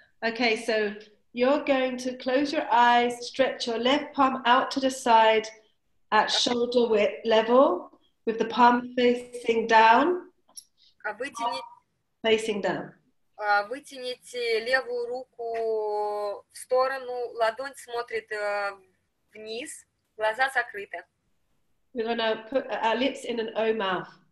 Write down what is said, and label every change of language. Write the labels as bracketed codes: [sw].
[en] Okay, so you're going to close your eyes, stretch your left palm out to the side at shoulder width level, with the palm facing down. Facing down. [ru] Вытяните левую руку в сторону, ладонь смотрит вниз, глаза закрыты. [en] We're going to put our lips in an O mouth.